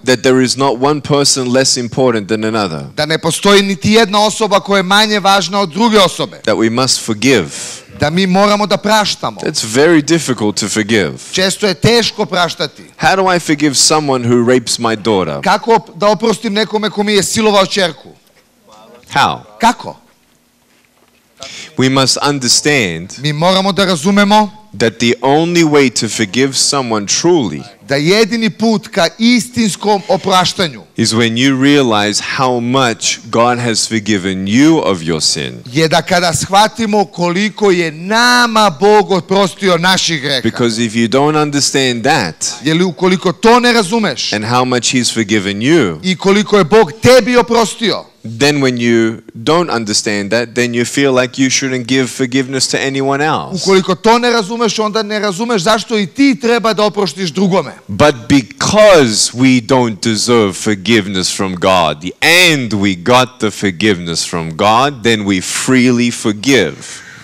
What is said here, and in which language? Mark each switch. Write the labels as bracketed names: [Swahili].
[English] that there is not one person less important than another. [Serbian] Da ne postoji niti jedna osoba koja je manje važna od druge osobe. [English] That we must forgive. [Serbian] Da mi moramo da praštamo. [English] It's very difficult to forgive. [Serbian] Često je teško praštati. [English] How do I forgive someone who rapes my daughter? [Serbian] Kako da oprostim nekome ko mi je silovao ćerku? [English] How? [Serbian] Kako? [English] We must understand. [Serbian] Mi moramo da razumemo [English] that the only way to forgive someone truly [Serbian] da jedini put ka istinskom opraštanju [English] is when you realize how much God has forgiven you of your sin. [Serbian] Je da kada shvatimo koliko je nama Bog oprostio naših greha. [English] Because if you don't understand that, [Serbian] jeli ukoliko to ne razumeš, [English] and how much he's forgiven you, [Serbian] I koliko je Bog tebi oprostio, [English] then when you don't understand that, then you feel like you shouldn't give forgiveness to anyone else. [Serbian] Ukoliko to ne razumeš, onda ne razumeš zašto I ti treba da oproštiš drugome. [English] But because we don't deserve forgiveness from God, and we got the forgiveness from God, then we freely forgive.